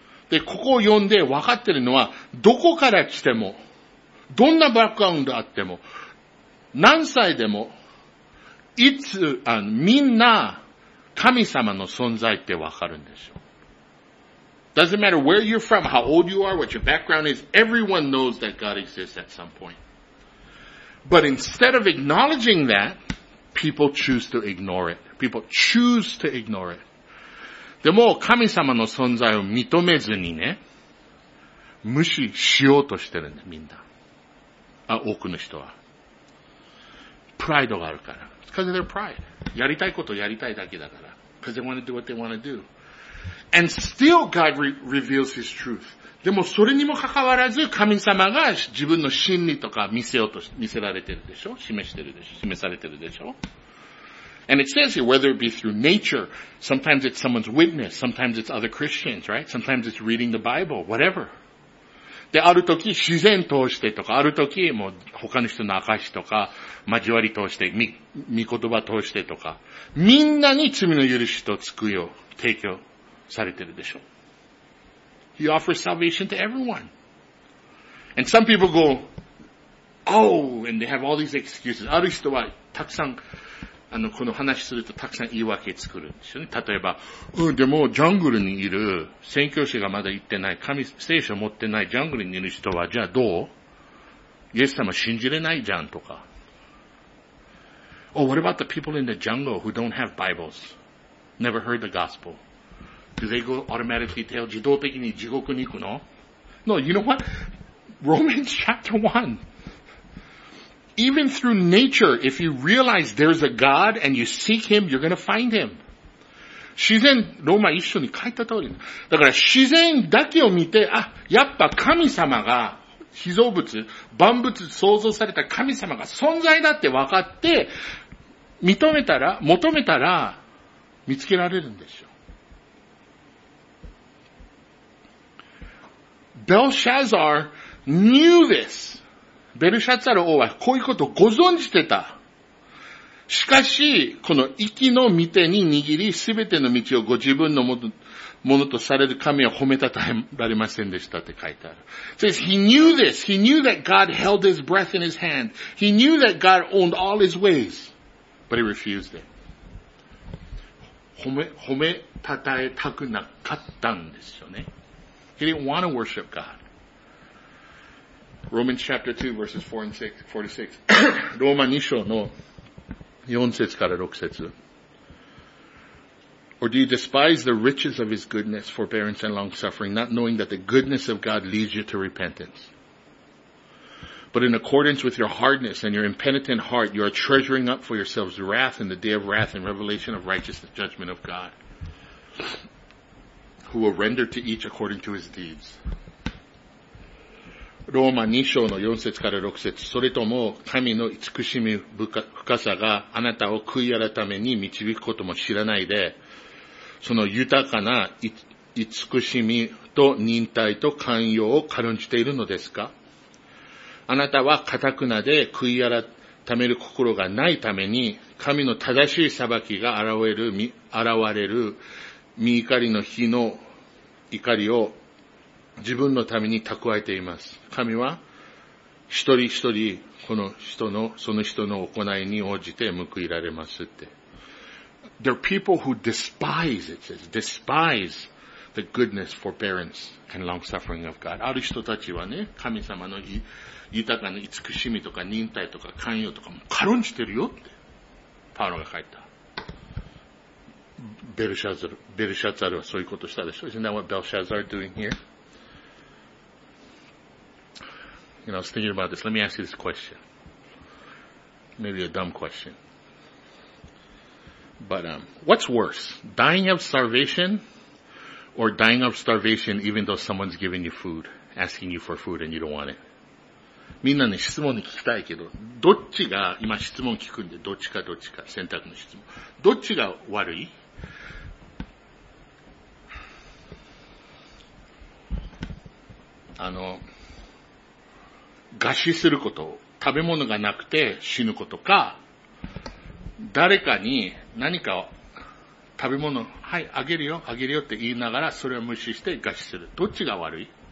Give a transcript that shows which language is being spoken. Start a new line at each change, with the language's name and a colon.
Japanese: で、ここを読んで分かってるのは、どこから来ても、どんなバックグラウンドあっても、何歳でも、いつ、みんな神様の存在ってわかるんでしょう。
English: Doesn't matter where you're from, how old you are, what your background is, everyone knows that God exists at some point. But instead of acknowledging that, people choose to ignore it. People choose to ignore it.
Japanese: でも神様の存在を認めずにね、無視しようとしてるんだ、みんな。あ、多くの人は。プライドがあるから。
English: It's because of their pride.
Japanese: やりたいことをやりたいだけだから。
English: Because they want to do what they want to do. And still God reveals His truth.
Japanese: でもそれにもかかわらず神様が自分の真理とか見せようと、見せられてるでしょ？示してるでしょ？示されてるでしょ？
English: And it says here, whether it be through nature, sometimes it's someone's witness, sometimes it's other Christians, right? Sometimes it's reading the Bible, whatever.
Japanese: で、ある時自然通してとか、ある時もう他の人の証とか、交わり通して、御言葉通してとか、みんなに罪の許しと救いを提供されてるでしょ。
English: He offers salvation to everyone. And some people go, oh, and they have all these excuses.
Japanese: ある人はたくさん、この話するとたくさん言い訳作るんですよね。例えば、うん、でもジャングルにいる、宣教師がまだ行ってない、神、聖書持ってない、ジャングルにいる人は、じゃあどう？イエス様信じれないじゃんとか。
English: Oh, what about the people in the jungle who don't have Bibles? Never heard the gospel. Do they go automatically to hell?
Japanese: 自動的に地獄に行くの？
English: No, you know what? Romans chapter 1. Even through nature, if you realize there's a God and you seek Him, you're gonna find Him.
Japanese: 自然、ローマ一緒に書いた通り。だから自然だけを見て、あ、やっぱ神様が、被造物、万物創造された神様が存在だって分かって、認めたら、求めたら、見つけられるんでしょう。
English: Belshazzar knew this.
Japanese: ベルシャツァル王はこういうことをご存じてた。しかし、この息の御手に握り、すべての道をご自分のものとされる神は褒めたたえられませんでしたって書いてある。
English: Says, he knew this. He knew that God held his breath in his hand. He knew that God owned all his ways. But he refused it.
Japanese: 褒めたたえたくなかったんですよね。
English: He didn't want to worship God. Romans chapter 2 verses 4 and 6, 46.
Japanese: ローマ2章の4節から6節。
English: Or do you despise the riches of his goodness, forbearance and long suffering, not knowing that the goodness of God leads you to repentance? But in accordance with your hardness and your impenitent heart, you are treasuring up for yourselves wrath in the day of wrath and revelation of righteousness, judgment of God, who will render to each according to his deeds.
Japanese: ローマ2章の4節から6節、それとも神の慈しみ深さがあなたを悔い改めに導くことも知らないで、その豊かな慈しみと忍耐と寛容を軽んじているのですか？あなたは固くなで悔い改める心がないために、神の正しい裁きが現れる御怒りの日の怒りを自分のために蓄えています。神は一人一人この人の、その人の行いに応じて報いられますって。
English: There are people who despise, it says, despise the goodness, forbearance, and long suffering of God.
Japanese: ある人たちはね、神様の豊かな慈しみとか忍耐とか寛容とかも軽んじてるよって、パウロが書いた。ベルシャザルはそういうことしたでしょ。
English: Isn't that what Belshazzar doing here? You know, I was thinking about this. Let me ask you this question. Maybe a dumb question. But, what's worse? Dying of starvation or dying of starvation even though someone's giving you food, asking you for food and you don't want it?
Japanese: みんなね、質問に聞きたいけど、どっちが、今質問聞くんで、どっちかどっちか、選択の質問。どっちが悪い？餓死すること、食べ物がなくて死ぬことか、誰かに何かを食べ物、はい、あげるよって言いながらそれを無視して餓死する。どっちが悪い？